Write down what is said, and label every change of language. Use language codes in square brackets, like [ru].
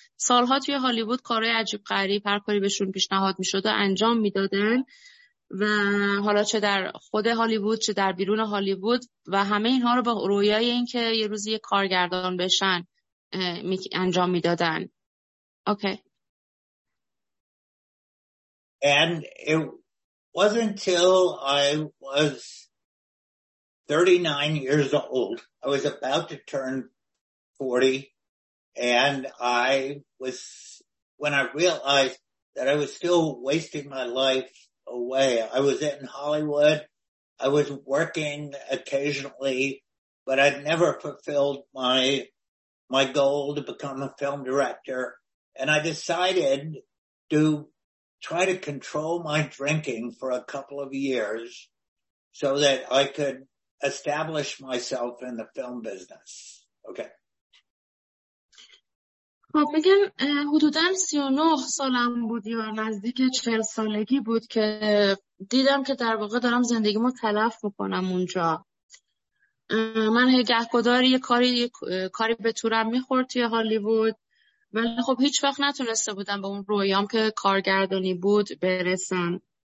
[fa] سالها توی هالیوود کارهای عجیب غریب هر کاری بهشون پیشنهاد می‌شد و انجام می‌دادن و حالا چه در خود هالیوود چه در بیرون هالیوود و همه اینها رو به رویای این که یه روزی یه کارگردان بشن انجام میدادن. اوکی. [en] And it wasn't until I was 39 years old, I was about to turn 40, and I was when I realized that I was still wasting my life away. I was in Hollywood. I was working occasionally, but I'd never fulfilled my goal to become a film director. And I decided to try to control my drinking for a couple of years so that I could establish myself in the film business. Okay. [fa] خب میگم حدوداً 39 سالم بود یا نزدیک 40 سالگی بود که دیدم که در واقع دارم زندگیمو تلف میکنم اونجا. من گهگداری یه کاری به تورم میخورد توی هالیوود ولی خب هیچ وقت نتونسته بودم به اون رویام که کارگردانی بود برسم.